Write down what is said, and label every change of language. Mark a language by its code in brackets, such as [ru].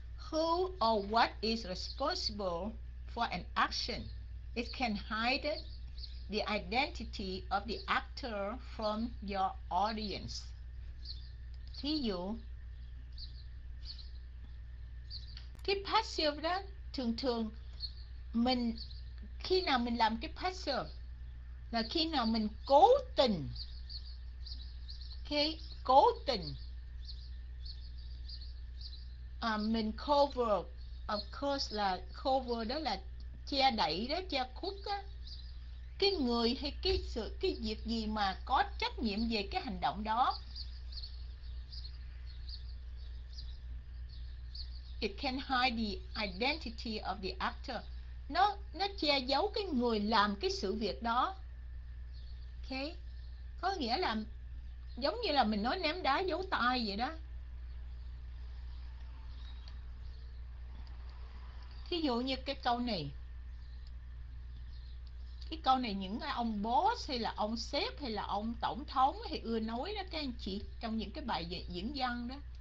[en] Who or what is responsible for an action? It can hide the identity of the actor from your audience. [vi] Thí dụ, cái passive đó thường thường mình khi nào mình làm cái passive là khi nào mình cố tình, okay, cố tình. Mình cover, [en] of course [vi] là cover đó là che đậy đó, che khuất á. Cái người hay cái sự, cái việc gì mà có trách nhiệm về cái hành động đó. [en] It can hide the identity of the actor. [vi] Nó che giấu cái người làm cái sự việc đó. Okay. Có nghĩa là giống như là mình nói ném đá giấu tay vậy đó. Ví dụ như cái câu này, cái câu này những cái ông boss hay là ông sếp hay là ông tổng thống thì ưa nói đó các anh chị, trong những cái bài diễn văn đó.